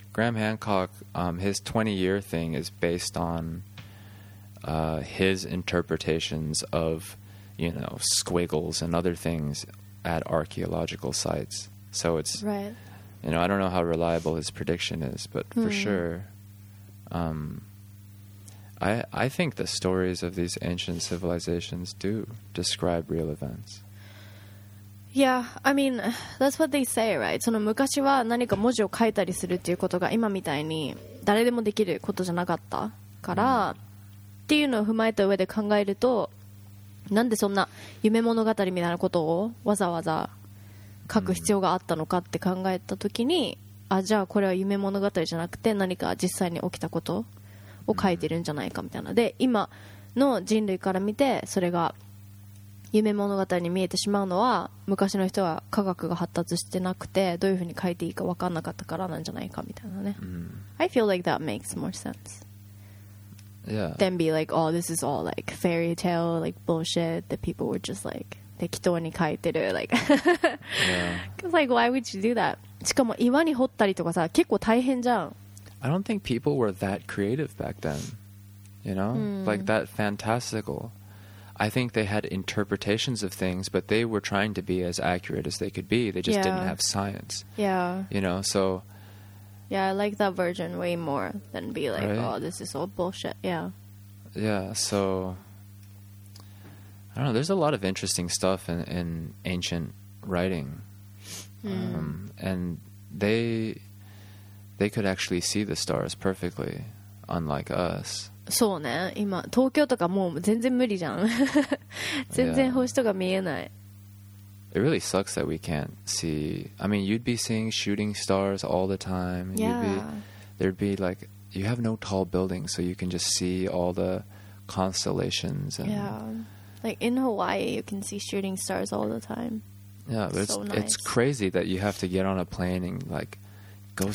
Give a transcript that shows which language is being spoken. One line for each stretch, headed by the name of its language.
English: Graham Hancock, his 20-year thing is based on his interpretations of, you know, squiggles and other things at archaeological sites, so it's right. You know, I don't know how reliable his prediction is, but for sure, I think the stories of these ancient civilizations do describe real events. Yeah, I mean, that's what they say, right?
Japanese: その昔は何か文字を書いたりするっていうことが今みたいに誰でもできることじゃなかったから、っていうのを踏まえた上で考えると。なんでそんな夢物語みたいなことをわざわざ書く必要があったのかって考えたときに、じゃあこれは夢物語じゃなくて何か実際に起きたことを書いてるんじゃないかみたいな。で、今の人類から見てそれが夢物語に見えてしまうのは昔の人は科学が発達してなくてどういうふうに書いていいか分かんなかったからなんじゃないかみたいなね。
English: I feel like that makes more sense. then be like, oh, this is all like fairy tale, like bullshit that people were just like
Japanese: 適当に書いてる
English: like, yeah. like why would you do that?
Japanese: しかも岩に掘ったりとかさ結構大変じゃん。
English: I don't think people were that creative back then, you know, like that fantastical. I think they had interpretations of things, but they were trying to be as accurate as they could be. They just didn't have science. Yeah. You know, so. Yeah, I like that version way more than be like, right? oh, this is all bullshit. Yeah. Yeah, so. I don't know. There's a lot of interesting stuff in ancient writing. And they could actually see the stars perfectly, unlike us.
Japanese: そうね今東京とかもう全然無理じゃん全然星とか見えない、
English: It really sucks that we can't see. I mean, you'd be seeing shooting stars all the time. There'd be like, you have no tall buildings, so you can just see all the constellations. And like in Hawaii, you can see shooting stars all the time. Yeah, but it's, so nice. It's crazy that you have to get on a plane and like go